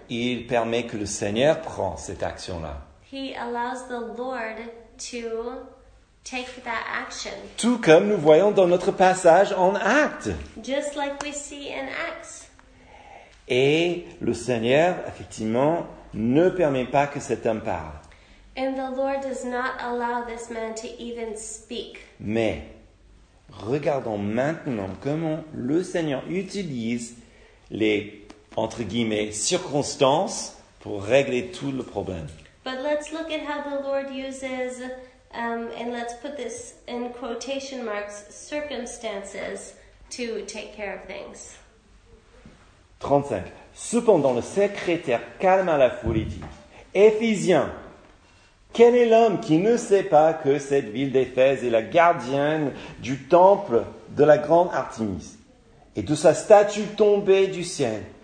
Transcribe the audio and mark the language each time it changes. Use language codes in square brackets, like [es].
[fr] Il permet que le Seigneur prend cette action-là. [en] He allows the Lord to take that action. [fr] Tout comme nous voyons dans notre passage en Actes. [en] Just like we see in Acts. [fr] Et le Seigneur, effectivement, ne permet pas que cet homme parle. [en] And the Lord does not allow this man to even speak. [fr] Mais, regardons maintenant comment le Seigneur utilise les, entre guillemets, circonstances pour régler tout le problème. [en] But let's look at how the Lord uses, and let's put this in quotation marks, circumstances to take care of things. [fr] 35. Cependant, le secrétaire calma la foule et dit, Éphésiens, quel est l'homme qui ne sait pas que cette ville d'Éphèse est la gardienne du temple de la grande Artémis et de sa statue tombée du ciel?